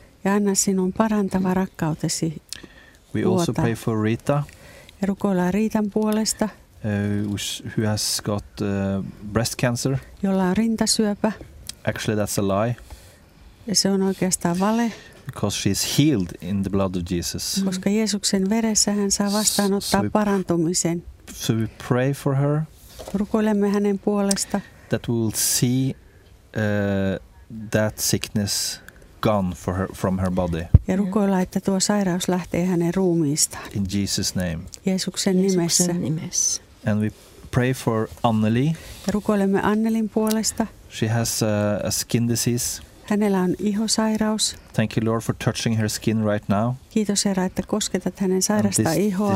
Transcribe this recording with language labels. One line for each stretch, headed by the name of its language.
Finnish: Ja anna sinun parantava rakkautesi.
English: We also pray for Rita.
Finnish: Ja rukoillaan Riitan puolesta.
English: Who has got breast cancer?
Finnish: Jolla on rintasyöpä.
English: Actually, that's a lie.
Finnish: Ja se on oikeastaan vale.
English: Because she is healed in the blood of Jesus.
Finnish: Koska Jeesuksen veressä hän saa vastaanottaa parantumisen.
English: So we pray for her.
Finnish: Rukoilemme hänen puolesta.
English: That we'll see that sickness gone for her, from her body.
Finnish: Ja rukoilla, että tuo sairaus lähtee hänen ruumiistaan.
English: In Jesus' name.
Finnish: Jeesuksen nimessä.
English: And we pray for Anneli.
Finnish: Rukoilemme Annelin puolesta.
English: She has a skin disease.
Finnish: Hänellä on ihosairaus.
English: Thank you, Lord, for touching her skin right now.
Finnish: Kiitos, Herra, että kosketat hänen sairasta ihoaan.